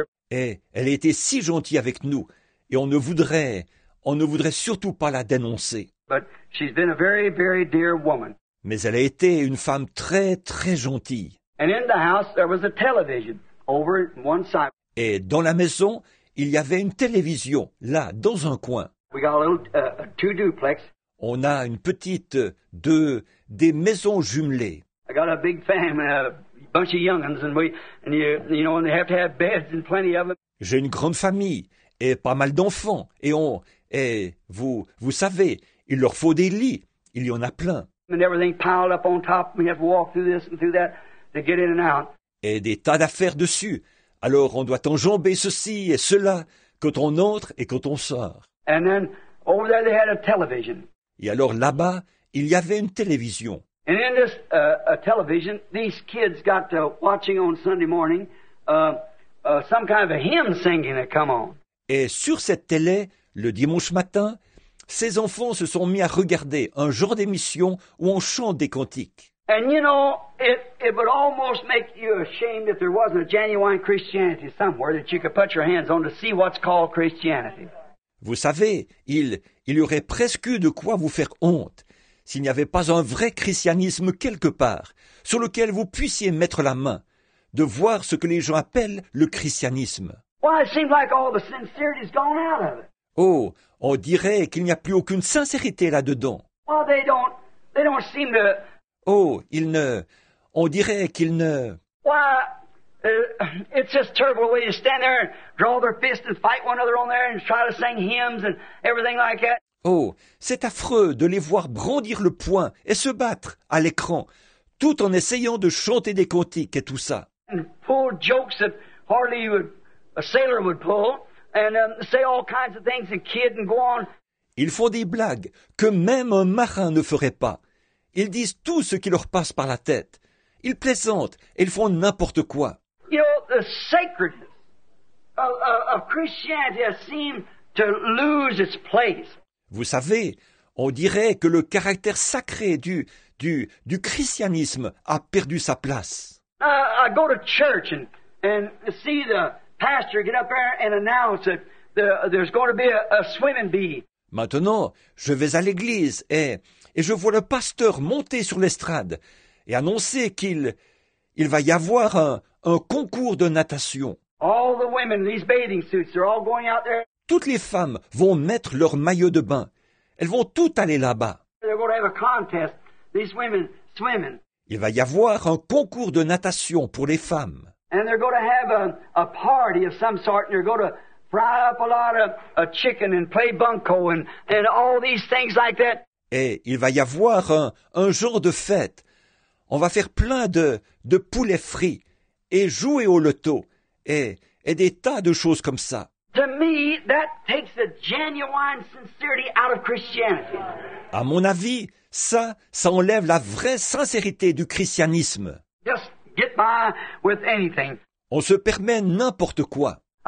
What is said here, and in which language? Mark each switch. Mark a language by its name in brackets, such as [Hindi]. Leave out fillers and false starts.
[French] Et elle a été si gentille avec nous, et on ne voudrait surtout pas la dénoncer. [English] But she's been a very, very dear woman. [French] Mais elle a été une femme très, très gentille. [English] And in the house there was a television over one side. [French] Et dans la maison, il y avait une télévision là dans un coin. [English] We got a little two duplex. [French] On a une petite des maisons jumelées. [English] I got a big family, a bunch of young'uns, and they have to have beds and plenty of them. [French] J'ai une grande famille et pas mal d'enfants et vous savez, il leur faut des lits, il y en a plein. [English] And everything piled up on top, we have to walk through this and through that. To get in and out. [French] Et des tas d'affaires dessus. Alors on doit enjamber ceci et cela quand on entre et quand on sort. [English] And then, over there they had a television. [French] Et alors là-bas, il y avait une télévision. [English] And in this television, these kids got to watching on Sunday morning some kind of a hymn singing that come on. [French] Et sur cette télé, le dimanche matin, ces enfants se sont mis à regarder un genre d'émission où on chante des cantiques. [English] And you know, it would almost make you ashamed if there wasn't a genuine Christianity somewhere that you could put your hands on to see what's called Christianity. [French] Vous savez, il y aurait presque de quoi vous faire honte s'il n'y avait pas un vrai christianisme quelque part sur lequel vous puissiez mettre la main, de voir ce que les gens appellent le christianisme. [English] Well, it seems like all the sincerity has gone out of it. [French] Oh, on dirait qu'il n'y a plus aucune sincérité là-dedans. [English] Well, they don't seem to. [French] Oh, il ne... On dirait qu'il ne... [English] Why, it's just terrible when you stand there and draw their fists and fight one another on there and try to sing hymns and everything like that. [French] Oh, c'est affreux de les voir brandir le poing et se battre à l'écran, tout en essayant de chanter des cantiques et tout ça. [English] And pull jokes that hardly a sailor would pull and say all kinds of things and kid and go on. [French] Ils font des blagues que même un marin ne ferait pas. Ils disent tout ce qui leur passe par la tête. Ils plaisantent et ils font n'importe quoi. [English] You know, the sacredness of Christianity has seemed to lose its place. [French] Vous savez, on dirait que le caractère sacré du christianisme a perdu sa place. [English] I go to church and see the pastor get up there and announce that there's going to be a swimming bee. [French] Maintenant, je vais à l'église et je vois le pasteur monter sur l'estrade et annoncer qu'il va y avoir un concours de natation. [English] All the women, these bathing suits, they're all going out there. [French] Toutes les femmes vont mettre leur maillot de bain. Elles vont toutes aller là-bas. [English] They're going to have a contest, these women swimming. [French] Il va y avoir un concours de natation pour les femmes. [English] And they're going to have a party of some sort and they're going to fry up a lot of chicken and play bunco and all these things like that. [French] Et il va y avoir un genre de fête. On va faire plein de poulets frits et jouer au loto et des tas de choses comme ça. [English] To me, that takes the genuine sincerity out of Christianity. [French] À mon avis, ça enlève la vraie sincérité du christianisme. [English] Just get by with anything. [French] On se permet n'importe quoi.